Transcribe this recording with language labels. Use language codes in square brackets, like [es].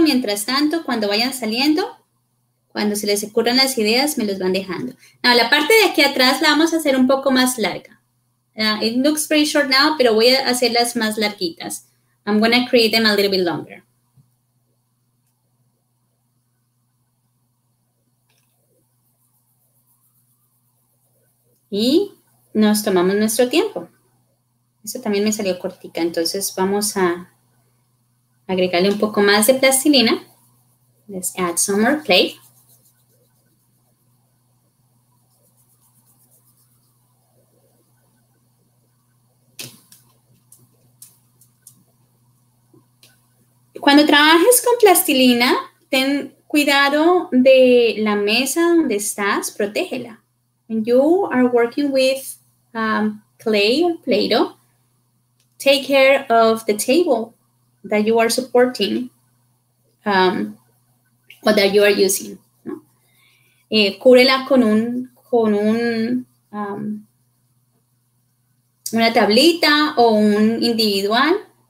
[es] Mientras tanto, cuando vayan saliendo, cuando se les ocurran las ideas, me los van dejando. Ahora, la parte de aquí atrás la vamos a hacer un poco más larga. [en] It looks pretty short now, [es] pero voy a hacerlas más larguitas. [en] I'm going to create them a little bit longer. [es] Y nos tomamos nuestro tiempo. Eso también me salió cortica. Entonces, vamos a agregarle un poco más de plastilina. [en] Let's add some more clay. [es] Cuando trabajes con plastilina, ten cuidado de la mesa donde estás. Protégela. [en] When you are working with clay or Play-Doh, take care of the table that you are supporting or that you are using. ¿No? [es] Cúbrela con una tablita o un individual.